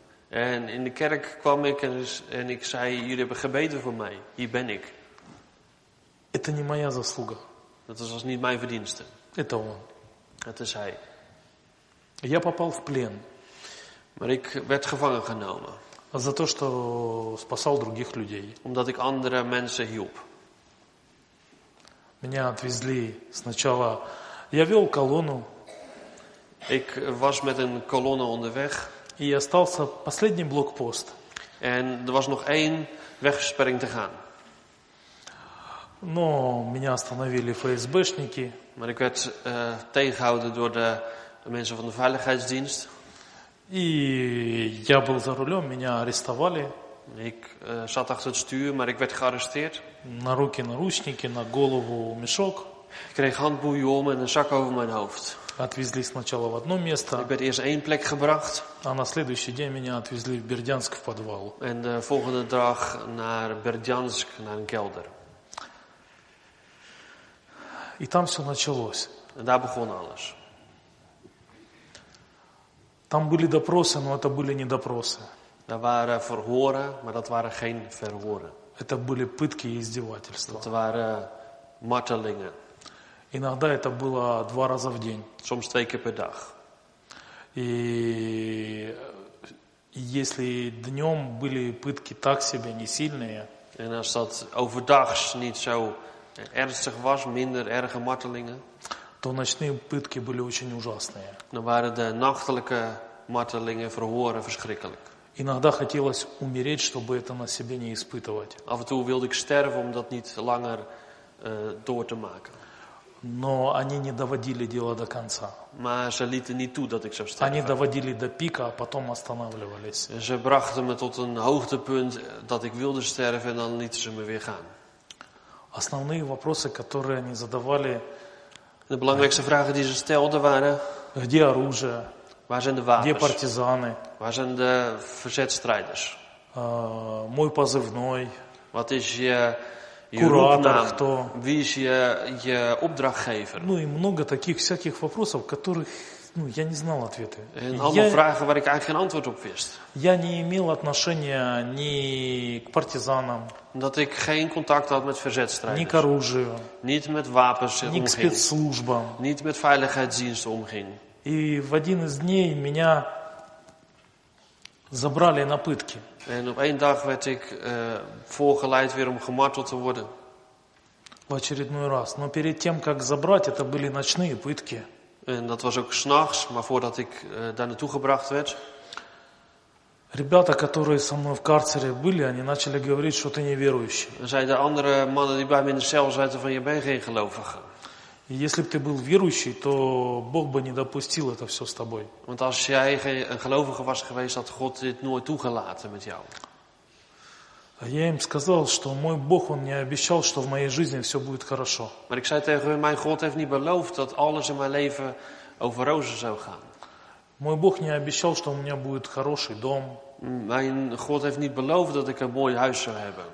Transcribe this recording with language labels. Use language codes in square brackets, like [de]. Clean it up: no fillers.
[nl] En in de kerk kwam ik en ik zei: jullie hebben gebeden voor mij, hier ben ik. [ru] Это не моя заслуга. [nl] Dat was niet mijn verdienste. [ru] Это он. [nl] Het is hij. [ru] Я попал в плен. [nl] Maar ik werd gevangen genomen. [ru] За то, что спасал других людей. [nl] Omdat ik andere mensen hielp. [ru] Меня отвезли сначала. Я вел колонну. [nl] Ik was met een колонна onderweg. [ru] И остался последний блокпост. [nl] En er was nog één wegversperring te gaan. [ru] Но меня остановили ФСБшники. [nl] Maar ik werd tegengehouden door de mensen van de veiligheidsdienst. [ru] И я был за рулем, меня арестовали. [nl] Ik zat achter het stuur, maar ik werd gearresteerd. [ru] На руки наручники, на голову мешок. [nl] Ik kreeg handboeien om en een zak over mijn hoofd. [ru] Отвезли сначала в одно место. [nl] Ik werd eerst één plek gebracht. [ru] А на следующий день меня отвезли в Бердянск, в подвал. [nl] En de volgende dag naar Berdjansk, naar een kelder. [ru] И там все началось. [nl] En daar begon alles. [ru] Там были допросы, но это были не допросы. [nl] Er waren verhoren, maar dat waren geen verhoren. [ru] Это были пытки и издевательства. [nl] Dat waren martelingen. [ru] Иногда это было два раза в день. [nl] Soms twee keer per dag. [ru] И если днем были пытки так себе, не сильные. [nl] En als dat overdags niet zo ernstig was, minder erge martelingen. [ru] То ночные пытки были очень ужасные. [nl] Dan waren de nachtelijke martelingen, verhoren, verschrikkelijk. [ru] Иногда хотелось умереть, чтобы это на себе не испытывать. [nl] Af en toe wilde ik sterven om dat niet langer door te maken. [ru] Но они не доводили дело до конца. [nl] Maar ze lieten niet toe dat ik zou sterven. [ru] Они доводили до пика, а потом останавливались. [nl] Ze brachten me tot een hoogtepunt dat ik wilde sterven en dan lieten ze me weer gaan. [ru] Основные вопросы, которые они задавали. [nl] De belangrijkste vragen die ze stelden waren: [ru] где оружие? [nl] Waar zijn de wapens? [ru] Где партизаны? [nl] Waar zijn de verzetstrijders? [ru] Мой позывной. [nl] Wat is je roepnaam? Wie is je opdrachtgever? [ru] Ну и много таких всяких вопросов, которых, ну, я не знал ответы. [nl] En allemaal vragen waar ik eigenlijk geen antwoord op wist. [ru] Я не имел отношения ни к партизанам. [nl] Dat ik geen contact had met verzetstrijders. [ru] Ни к оружию. [nl] Niet met wapens omging. [ru] Ни к спецслужбам. [nl] Niet met veiligheidsdiensten omging. [ru] И в один из дней меня забрали на пытки. [nl] En op één dag werd ik voorgeleid weer om gemarteld te worden. [ru] В очередной раз. Но перед тем, как забрать, это были ночные пытки. [nl] En dat was ook 's nachts, maar voordat ik daar naartoe gebracht werd. [ru] Ребята, которые со мной в карцере были, они начали говорить, что ты неверующий. [nl] Zei de andere mannen die bij me in de cel zaten van je bent geen gelovige. [ru] Если бы ты был верующий, то Бог бы не допустил это все с тобой. [nl] Want als jij een gelovige was geweest, had God dit nooit toegelaten met jou. [ru] Я им сказал, что мой Бог, он не обещал, что в моей жизни все будет хорошо. [nl] Maar ik zei tegen hen, mijn God heeft niet beloofd dat alles in mijn leven over rozen zou gaan. [ru] Мой Бог не обещал, что у меня будет хороший дом. [nl] Mijn God heeft niet beloofd dat ik een mooi huis zou hebben.